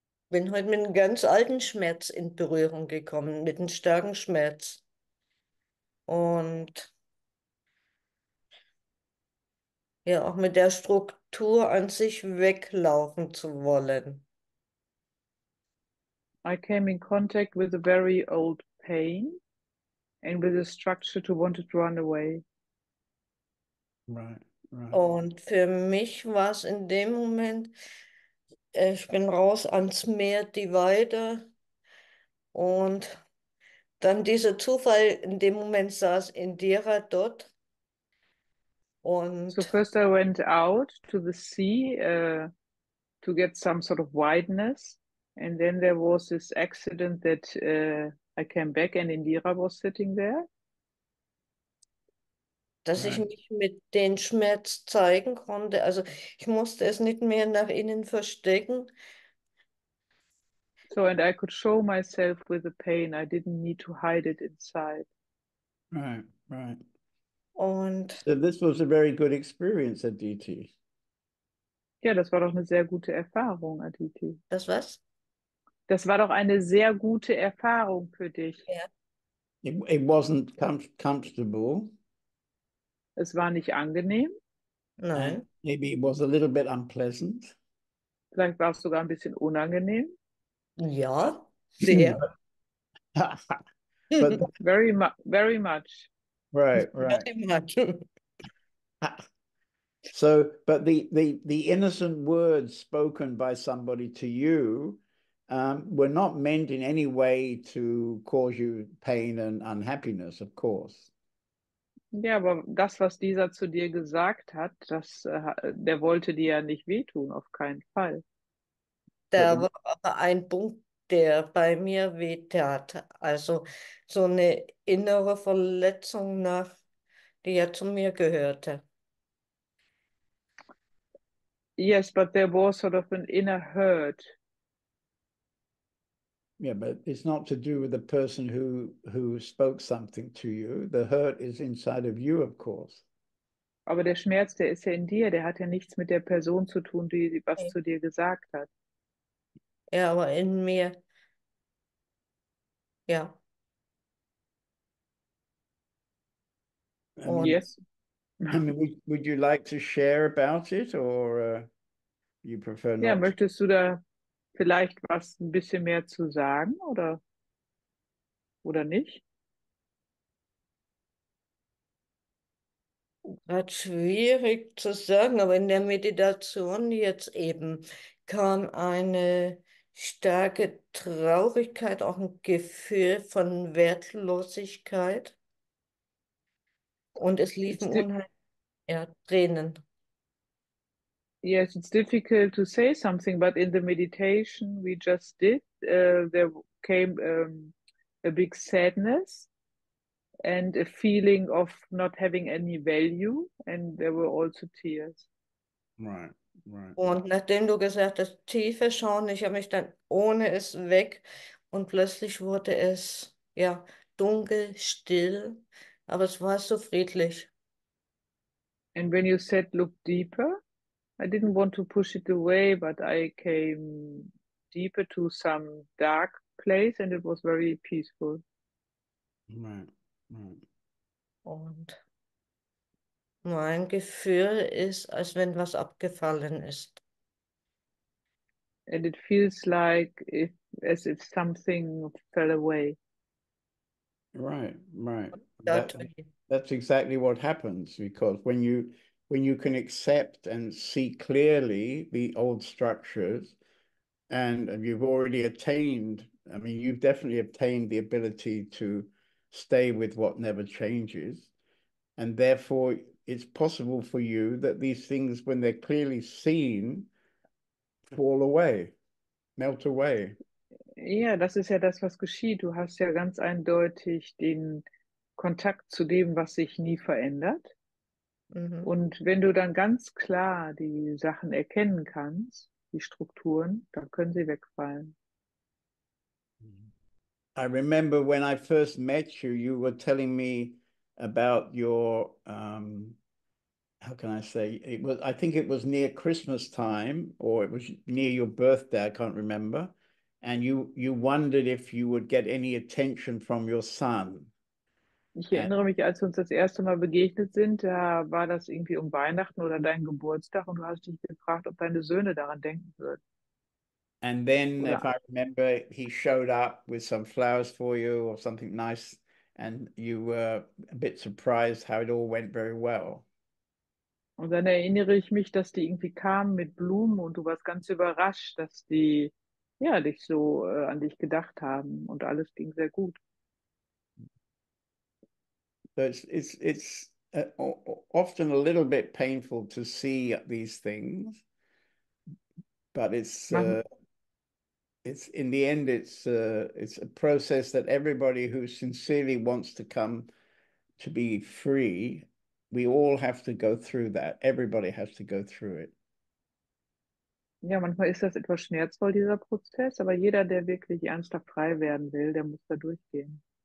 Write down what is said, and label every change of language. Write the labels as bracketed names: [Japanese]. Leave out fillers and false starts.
[German] Bin heute mit einem ganz alten Schmerz in Berührung gekommen, mit einem starken Schmerz. und ja, auch mit der Struktur an sich weglaufen zu wollen. [English] I came in contact with a very old pain and with a structure to want to run away. Right. [German] Und für mich war es in dem Moment, ich bin raus ans Meer, die Weide. Und dann dieser Zufall, in dem Moment saß Indira dort. Und [English] so first I went out to the sea to get some sort of wideness. And then there was this accident that I came back and Indira was sitting there. [German] Dass ich mich mit dem Schmerz zeigen konnte. Also ich musste es nicht mehr nach innen verstecken. [English] So, and I could show myself with the pain. I didn't need to hide it inside. Right. [German] Und [English] so this was a very good experience, Aditi. [German] Ja, das war doch eine sehr gute Erfahrung, Aditi. Das was? Das war doch eine sehr gute Erfahrung für dich. Ja. [English] It wasn't comfortable. [German] Es war nicht angenehm. Nein. [English] Maybe it was a little bit unpleasant. [German] Vielleicht war es sogar ein bisschen unangenehm. Ja, sehr. [English] But very much. Right. Very much. So, but the innocent words spoken by somebody to you were not meant in any way to cause you pain and unhappiness, of course. [German] Ja, aber das, was dieser zu dir gesagt hat, das, der wollte dir ja nicht wehtun, auf keinen Fall. Da war aber ein Punkt, der bei mir wehtat. Also so eine innere Verletzung nach, die ja zu mir gehörte. [English] Yes, but there was sort of an inner hurt. Yeah, but it's not to do with the person who spoke something to you. The hurt is inside of you, of course. [German] Aber der Schmerz, der ist ja in dir. Der hat ja nichts mit der Person zu tun, die was zu dir gesagt hat. Ja, aber in mir. Ja. [English] Yes. I mean, would you like to share about it, or you prefer not? [German] Ja, möchtest du da vielleicht was ein bisschen mehr zu sagen oder nicht? Hat schwierig zu sagen, aber in der Meditation jetzt eben kam eine starke Traurigkeit, auch ein Gefühl von Wertlosigkeit. Und es liefen Tränen. [English] Yes, it's difficult to say something, but in the meditation we just did, there came a big sadness and a feeling of not having any value, and there were also tears. Right. [German] Und nachdem du gesagt hast, tiefe Schauen, ich habe mich dann ohne es weg und plötzlich wurde es ja dunkel, still, aber es war so friedlich. [English] And when you said, look deeper, I didn't want to push it away, but I came deeper to some dark place and it was very peaceful. Right. [German] Und mein Gefühl ist, als wenn was abgefallen ist. [English] And it feels like as if something fell away. Right. That's exactly what happens, because when you can accept and see clearly the old structures, and you've already attained, I mean, you've definitely obtained the ability to stay with what never changes. And therefore, it's possible for you that these things, when they're clearly seen, fall away, melt away. [German] Ja, das ist ja das, was geschieht. Du hast ja ganz eindeutig den Kontakt zu dem, was sich nie verändert. Und wenn du dann ganz klar die Sachen erkennen kannst, die Strukturen, dann können sie wegfallen. [English] I remember when I first met you, you were telling me about your, how can I say, it was, I think it was near Christmas time, or it was near your birthday, I can't remember, and you wondered if you would get any attention from your son. [German] Ich erinnere mich, als wir uns das erste Mal begegnet sind, da war das irgendwie um Weihnachten oder deinen Geburtstag und du hast dich gefragt, ob deine Söhne daran denken würden. [English] And then, if [German] Oder? [English] I remember, he showed up with some flowers for you or something nice, and you were a bit surprised how it all went very well. [German] Und dann erinnere ich mich, dass die irgendwie kamen mit Blumen und du warst ganz überrascht, dass die ja dich so an dich gedacht haben und alles ging sehr gut. [English] It's often a little bit painful to see these things, but [German] Man [English] it's in the end it's a process that everybody who sincerely wants to come to be free, we all have to go through that. Everybody has to go through it. [German] Ja, manchmal ist das etwas schmerzvoll, dieser Prozess, aber jeder, der wirklich ernsthaft frei werden will, der muss da durchgehen.